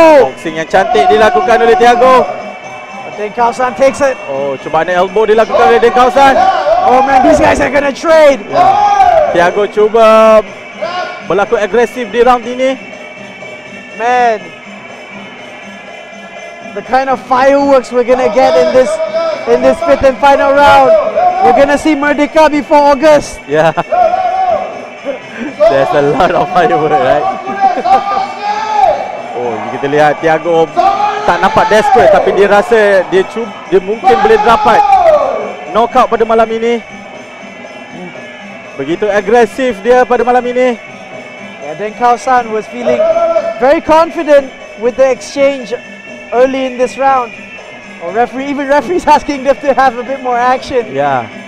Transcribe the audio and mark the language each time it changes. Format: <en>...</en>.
<ms>boxing yang cantik dilakukan oleh Thiago.</ms> <en>Den Kaosan takes it.</en> <ms>Oh, cubaan elbow dilakukan oleh Den Kaosan.</ms> <en>Oh man, these guys are gonna trade. Yeah.</en> <ms>Thiago cuba berlaku agresif di round ini.</ms> <en>Man, the kind of fireworks we're gonna get in this fifth and final round. We're gonna see Merdeka before August. Yeah. There's a lot of fireworks, right?</en> <ms>Oh, kita lihat Thiago tak nampak desperate, tapi dia rasa dia dia mungkin boleh dapat knockout pada malam ini. Begitu agresif dia pada malam ini.</ms> <en>Yeah, Den Kaosan was feeling very confident with the exchange early in this round. Oh, referee, even referee's asking them to have a bit more action. Yeah.</en>